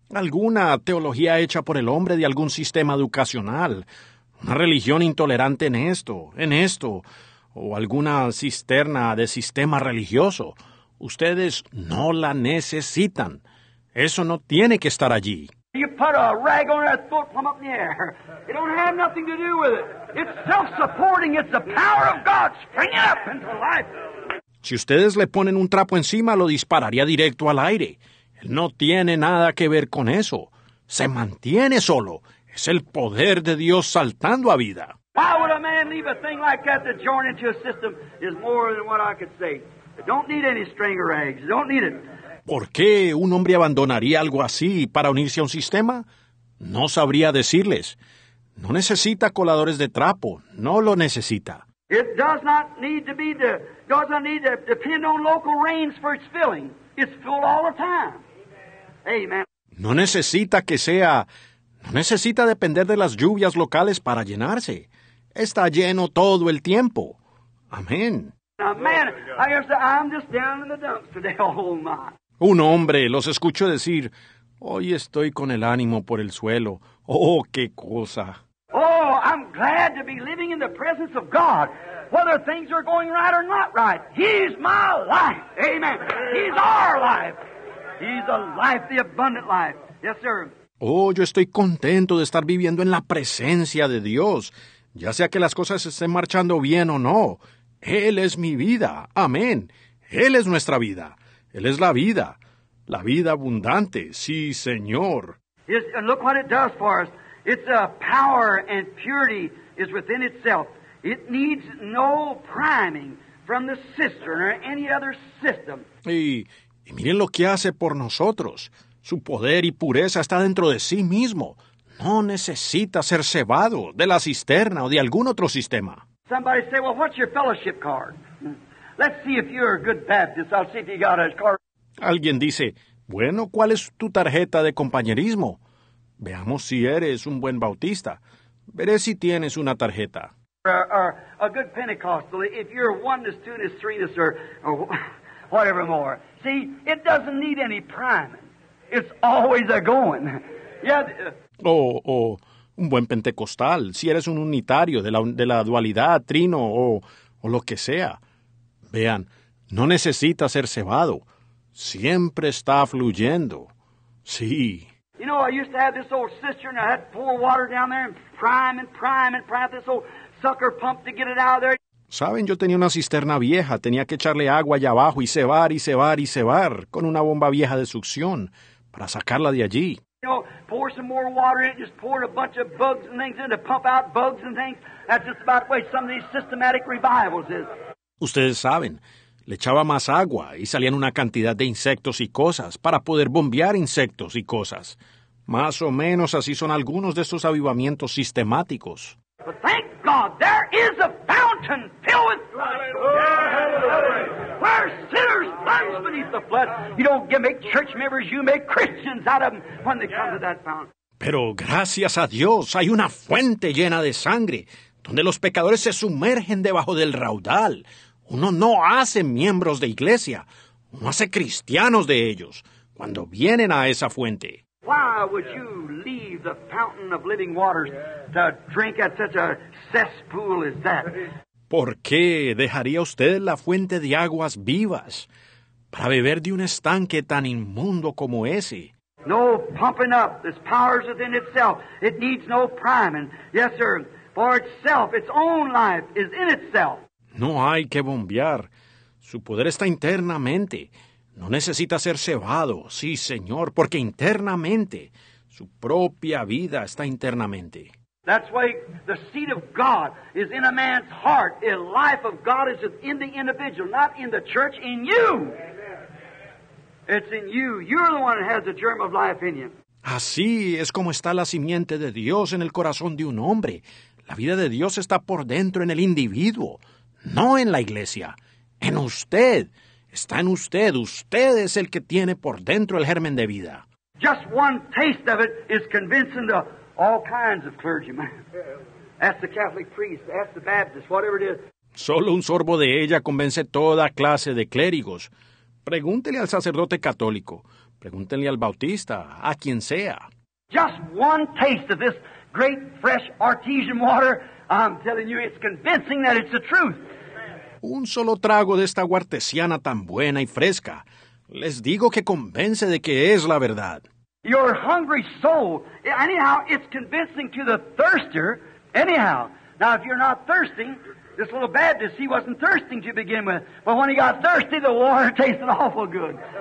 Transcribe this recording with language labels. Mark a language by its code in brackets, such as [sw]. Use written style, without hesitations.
[es] Alguna teología hecha por el hombre de algún sistema educacional, una religión intolerante en esto, o alguna cisterna de sistema religioso. Ustedes no la necesitan. Eso no tiene que estar allí. [en] You put a rag on that foot from up in the air. It don't have nothing to do with it. It's self-supporting. It's the power of God springing up into life. [es] Si ustedes le ponen un trapo encima, lo dispararía directo al aire. Él no tiene nada que ver con eso. Se mantiene solo. Es el poder de Dios saltando a vida. [en] Why would a man leave a thing like that to join into a system is more than what I could say. Don't need any string or eggs. Don't need it. [es] ¿Por qué un hombre abandonaría algo así para unirse a un sistema? No sabría decirles. No necesita coladores de trapo. No lo necesita. [en] It does not need to be the, does not need to depend on local rains for its filling. It's full all the time. Amen. [es] No necesita que sea, no necesita depender de las lluvias locales para llenarse. Está lleno todo el tiempo. Amén. [en] Amen. I guess I'm just down in the dumps today. Oh my. [es] Un hombre los escuchó decir, hoy estoy con el ánimo por el suelo. ¡Oh, qué cosa! [en] Oh, I'm glad to be living in the presence of God. Whether things are going right or not right, He's my life. Amen. He's our life. He's the life, the abundant life. Yes, sir. [es] Oh, yo estoy contento de estar viviendo en la presencia de Dios. Ya sea que las cosas estén marchando bien o no, Él es mi vida. Amén. Él es nuestra vida. Él es la vida abundante, sí, Señor. [en] Yes, and look what it does for us. Its power and purity is within itself. It needs no priming from the cistern or any other system. [es] Y miren lo que hace por nosotros. Su poder y pureza está dentro de sí mismo. No necesita ser cebado de la cisterna o de algún otro sistema. [en] Somebody say, well, what's your fellowship card? Let's see if you're a good Baptist. I'll see if you got a card. [es] Alguien dice, bueno, ¿cuál es tu tarjeta de compañerismo? Veamos si eres un buen bautista. Veré si tienes una tarjeta. [en] A good Pentecostal, if you're oneness, two-ness, three-ness, or whatever more. See, it doesn't need any priming. It's always a-going. Yeah. [es] Un buen Pentecostal, si eres un unitario de la dualidad, trino, o lo que sea. Vean, no necesita ser cebado. Siempre está fluyendo. Sí. [en] You know, I used to have this old cistern. I had to pour water down there and prime and prime and prime this old sucker pump to get it out of there. [es] Saben, yo tenía una cisterna vieja. Tenía que echarle agua allá abajo y cebar con una bomba vieja de succión para sacarla de allí. [en] You know, pour some more water in it. Just pour a bunch of bugs and things in to pump out bugs and things. That's just about the way some of these systematic revivals is. [es] Ustedes saben, le echaba más agua y salían una cantidad de insectos y cosas para poder bombear insectos y cosas. Más o menos así son algunos de estos avivamientos sistemáticos. [en] But thank God, there is a fountain filled with blood. Where sinners plunge beneath the flood. You don't get, make church members, you make Christians out of them when they come to that fountain. [es] Pero gracias a Dios, hay una fuente llena de sangre donde los pecadores se sumergen debajo del raudal. Uno no hace miembros de iglesia, uno hace cristianos de ellos cuando vienen a esa fuente. [en] Why why would you leave the fountain of living waters to drink at such a cesspool as that? [es] ¿Por qué dejaría usted la fuente de aguas vivas para beber de un estanque tan inmundo como ese? [en] No pumping up. This power's within itself. It needs no priming. Yes, sir. For itself, its own life is in itself. [es] No hay que bombear. Su poder está internamente. No necesita ser cebado, sí, señor, porque internamente, su propia vida está internamente. [en] That's why the seed of God is in a man's heart. The life of God is in the individual, not in the church, in you. It's in you. You're the one that has the germ of life in you. [es] Así es como está la simiente de Dios en el corazón de un hombre. La vida de Dios está por dentro en el individuo, no en la iglesia, en usted. Está en usted. Usted es el que tiene por dentro el germen de vida. [en] Just one taste of it is convincing to all kinds of clergymen. Ask the Catholic priest, ask the Baptist, whatever it is. [es] Solo un sorbo de ella convence toda clase de clérigos. Pregúntele al sacerdote católico. Pregúntele al bautista, a quien sea. [en] Just one taste of this great fresh artesian water, I'm telling you, it's convincing that it's the truth. [es] Un solo trago de esta agua artesiana tan buena y fresca. Les digo que convence de que es la verdad. [en] Your hungry soul, anyhow, it's convincing to the thirster, anyhow. Now, if you're not thirsting, this little Baptist, he wasn't thirsting to begin with. But when he got thirsty, the water tasted awful good.